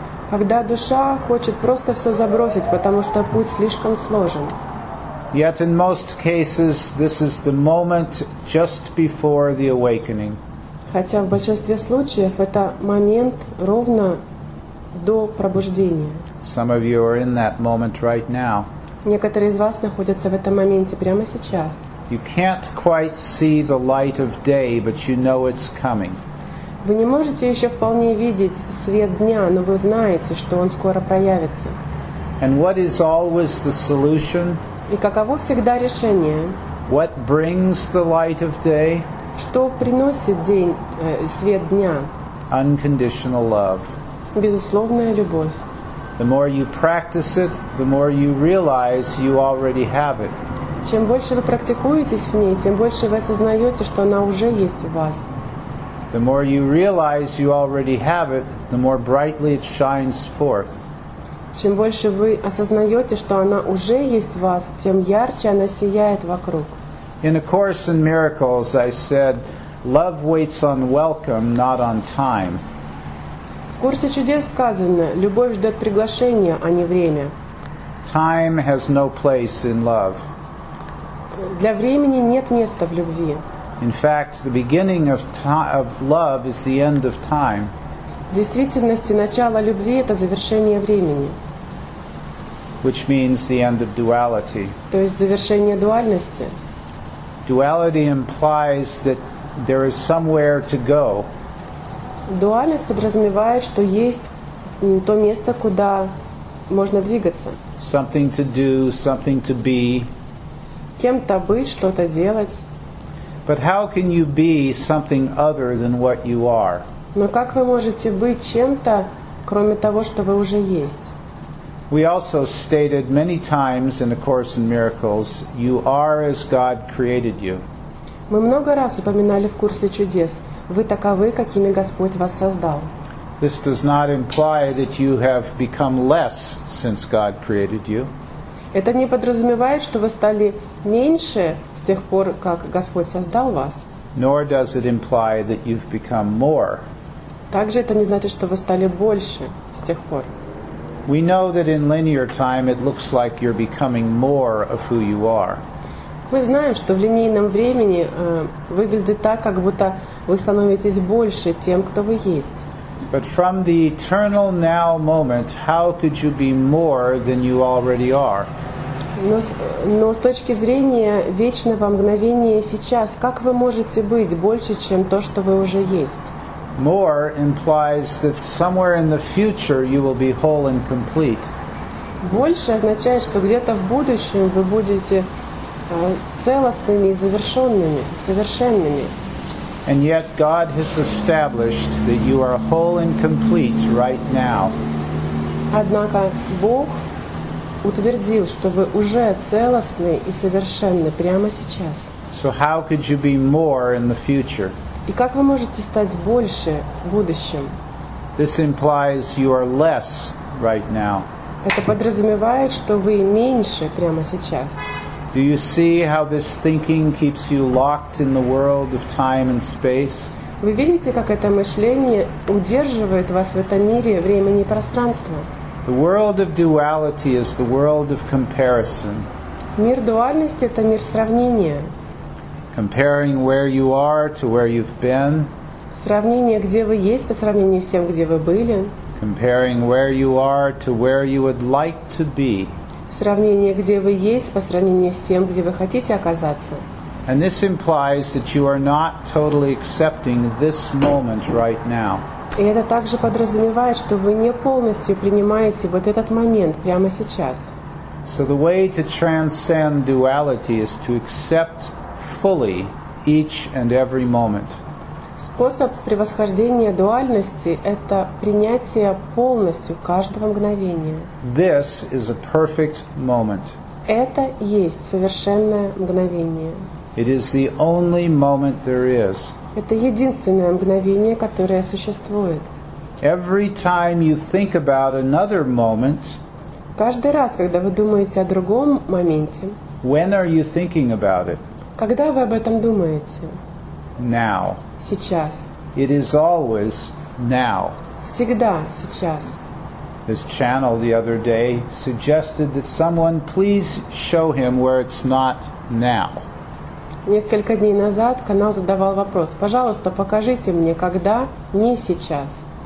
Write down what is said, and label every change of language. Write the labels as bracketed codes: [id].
[ru] Когда душа хочет просто все забросить, потому что путь слишком сложен. [en] Yet in most cases, this is the moment just before the awakening. [ru] Хотя в большинстве случаев это момент ровно до пробуждения. [en] Some of you are in that moment right now. [ru] Некоторые из вас находятся в этом моменте прямо сейчас. [en] You can't quite see the light of day, but you know it's coming. [ru] Вы не можете еще вполне видеть свет дня, но вы знаете, что он скоро проявится. [en] And what is always the solution? [ru] И каково всегда решение? [en] What brings the light of day? [ru] Что приносит день, свет дня? [en] Unconditional love. [ru] Безусловная любовь. [en] The more you practice it, the more you realize you already have it. [ru] Чем больше вы практикуетесь в ней, тем больше вы осознаете, что она уже есть у вас. [en] The more you realize you already have it, the more brightly it shines forth. [ru] Чем больше вы осознаете, что она уже есть в вас, тем ярче она сияет вокруг. [en] In A Course in Miracles, I said, love waits on welcome, not on time. [ru] В Курсе чудес сказано, любовь ждет приглашения, а не время. [en] Time has no place in love. [ru] Для времени нет места в любви. [en] In fact, the beginning of love is the end of time. [ru] В действительности, начало любви – это завершение времени. [en] Which means the end of duality. [ru] То есть завершение дуальности. [en] Duality implies that there is somewhere to go. [ru] Дуальность подразумевает, что есть то место, куда можно двигаться. [en] Something to do, something to be. [ru] Кем-то быть, что-то делать. [en] But how can you be something other than what you are? [ru] Но как вы можете быть чем-то, кроме того, что вы уже есть? [en] We also stated many times in A Course in Miracles, you are as God created you. [ru] Мы много раз упоминали в Курсе чудес, вы таковы, какими Господь вас создал. [en] This does not imply that you have become less since God created you. [ru] Это не подразумевает, что вы стали меньше с тех пор, как Господь создал вас. [en] Nor does it imply that you've become more. [ru] Также это не значит, что вы стали больше с тех пор. [en] We know that in linear time it looks like you're becoming more of who you are. [ru] Мы знаем, что в линейном времени выглядит так, как будто вы становитесь больше тем, кто вы есть. [en] But from the eternal now moment, how could you be more than you already are? [ru] Но с точки зрения вечного мгновения сейчас, как вы можете быть больше, чем то, что вы уже есть? [en] More implies that somewhere in the future you will be whole and complete. [ru] Больше означает, что где-то в будущем вы будете целостными и завершенными, совершенными. [en] And yet God has established that you are whole and complete right now. [ru] Однако Бог утвердил, что вы уже целостны и совершенны прямо сейчас. [en] So how could you be more in the future? [ru] И как вы можете стать больше в будущем? [en] This implies you are less right now. [ru] Это подразумевает, что вы меньше прямо сейчас. [en] Do you see how this thinking keeps you locked in the world of time and space? [ru] Вы видите, как это мышление удерживает вас в этом мире времени и пространства? [en] The world of duality is the world of comparison. [ru] Мир дуальности — это мир сравнения. [en] Comparing where you are to where you've been. [ru] Сравнение, где вы есть по сравнению с тем, где вы были. [en] Comparing where you are to where you would like to be. [ru] Сравнение, где вы есть по сравнению с тем, где вы хотите оказаться. [en] And this implies that you are not totally accepting this moment right now. [ru] И это также подразумевает, что вы не полностью принимаете вот этот момент прямо сейчас. [en] So the way to transcend duality is to accept fully each and every moment. [ru] Способ превосхождения дуальности — это принятие полностью каждого мгновения. [en] This is a perfect moment. [ru] Это есть совершенное мгновение. [en] It is the only moment there is. [ru] Это единственное мгновение, которое существует. [en] Every time you think about another moment, [ru] каждый раз, когда вы думаете о другом моменте, [en] when are you thinking about it? [ru] Когда вы об этом думаете? [en] Now. [ru] Сейчас. [en] It is always now. [ru] Всегда сейчас. [en] This channel the other day suggested that someone please show him where it's not now. [ru] Несколько дней назад канал задавал вопрос: пожалуйста, покажите мне, когда не сейчас.